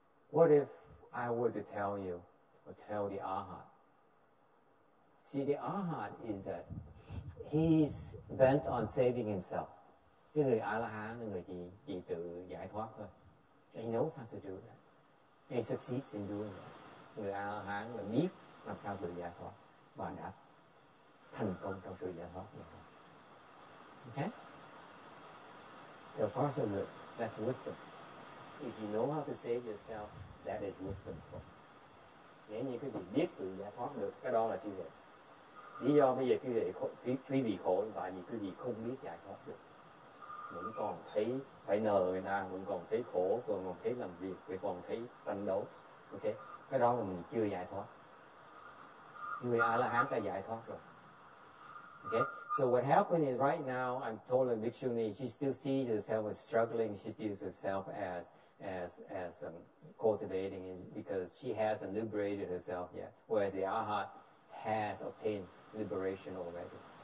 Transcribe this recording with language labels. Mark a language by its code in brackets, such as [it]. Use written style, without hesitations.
[en] What if I were to tell you, or tell the Arhat? See, the Arhat is that he's bent on saving himself. [vi] Người A-la-hán, người chỉ tự giải thoát thôi. [en] He knows how to do that. He succeeds in doing that. [vi] Người A-la-hán là biết làm sao tự giải thoát và đã thành công trong sự giải thoát. [en] Okay? So far so good. That's wisdom. If you know how to save yourself, that is wisdom, folks. [vi] nếu như quý vị biết tự giải thoát được, cái đó là chưa hề. Lý do bây giờ quý vị khổ là tại vì quý vị không biết giải thoát được. Vẫn còn thấy phải nợ người ta, vẫn còn thấy khổ, vẫn còn thấy làm việc, vẫn còn thấy tranh đấu. Ok, cái đó là mình chưa giải thoát. Người A-la-hán đã giải thoát rồi. [en] Ok, so what happened is right now, I'm told in Vikshuni, she still sees herself as struggling, she sees herself as cultivating it because she hasn't liberated herself yet, whereas the A-la-hán has obtained liberation already.